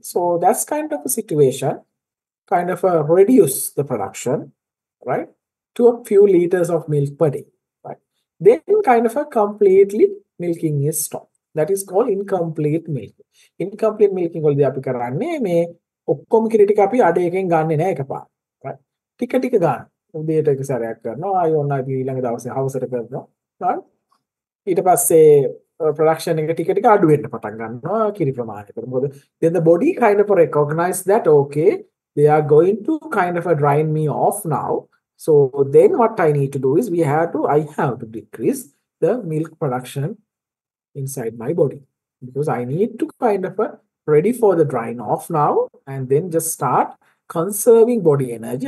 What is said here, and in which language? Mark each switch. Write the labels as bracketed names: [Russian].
[English] So that's kind of a situation. Kind of reduce the production, right, to a few liters of milk per day, right? Then kind of completely milking is stopped. That is called incomplete milking. [Sinhala] Incomplete milking වලදී අපි කරන්නේ මේ ඔක්කොම කිරි ටික අපි අඩේකින් ගන්නෙ නෑ එකපාර, right? ටික ටික ගන්න. උදේට එක සැරයක් කරනවා, ආයෙ ඕන අපි ඊළඟ දවසේ හවසට කරනවා, right? ඊට පස්සේ production එක ටික ටික අඩු වෙන්න පටන් ගන්නවා කිරි ප්‍රමාණයට. [English] මොකද then the body kind of recognize that okay, they are going to kind of drain me off now. So then what I need to do is I have to decrease the milk production inside my body. because I need to kind of ready for the drying off now and then just start conserving body energy.